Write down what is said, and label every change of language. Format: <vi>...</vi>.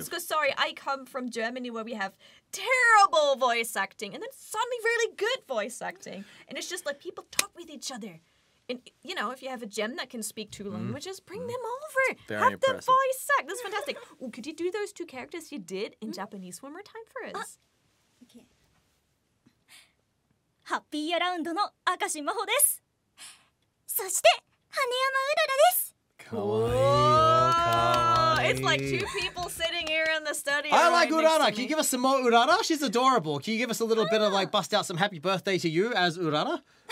<en>It's because, sorry, I come from Germany where we have terrible voice acting and then suddenly really good voice acting. And it's just like people talk with each other. And, you know, if you have a gem that can speak two languages, bring them over. Very have impressive. The voice act. That's fantastic. Ooh, could you do those two characters you did in Japanese one more time for us? Okay.</en> <ja>ハッピーアラウンドの明石真帆です。そして羽山うららです。かわいい。かわいい。</ja> <en>It's like two people sitting here in the study. I like Urara. Can you give us some more Urara? She's adorable. Can you give us a little bit of like bust out some happy birthday to you as Urara?</en>